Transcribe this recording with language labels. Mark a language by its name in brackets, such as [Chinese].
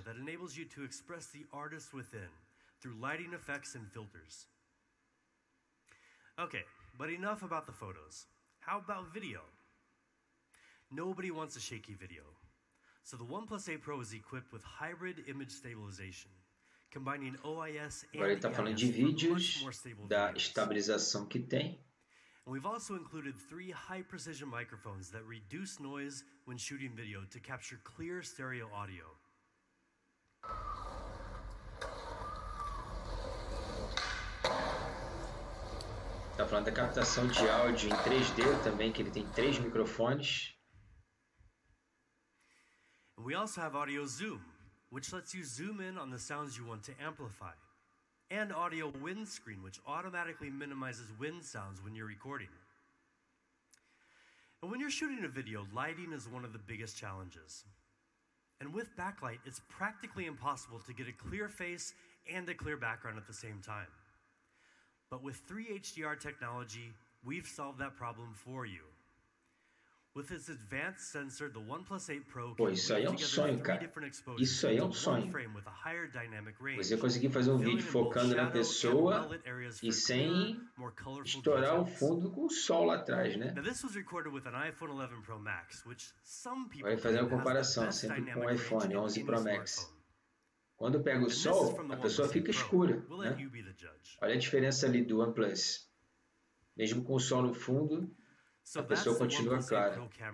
[English] That enables you to express the artist within through lighting effects and filters. Okay, but enough about the photos. How about video? Nobody wants a shaky video. So the OnePlus 8 Pro is equipped with hybrid image stabilization, combining OIS and [Portuguese] agora ele tá falando de vídeos da estabilização que tem. [English] And we've also included 3 high precision microphones that reduce noise when shooting video to capture clear stereo audio. [Portuguese] Tá falando da captação de áudio em 3D também, que ele tem 3 microfones. [English] We also have audio zoom, which lets you zoom in on the sounds you want to amplify, and audio windscreen, which automatically minimizes wind sounds when you're recording. And when you're shooting a video, lighting is one of the biggest challenges. And with backlight, it's practically impossible to get a clear face and a clear background at the same time. But with 3 HDR technology, we've solved that problem for you. With its advanced sensor, the OnePlus 8 Pro can put together 3 different exposures to one frame with a higher dynamic range. [Portuguese] Você conseguir fazer vídeo focando na pessoa e sem estourar o fundo com o sol lá atrás, né? [English] Now this was recorded with an iPhone 11 Pro Max, which some people [Portuguese] vai fazer uma comparação sempre com o iPhone 11 Pro Max. Quando pega o sol, a pessoa fica escura, né? Olha a diferença ali do OnePlus. Mesmo com o sol no fundo, a pessoa continua clara.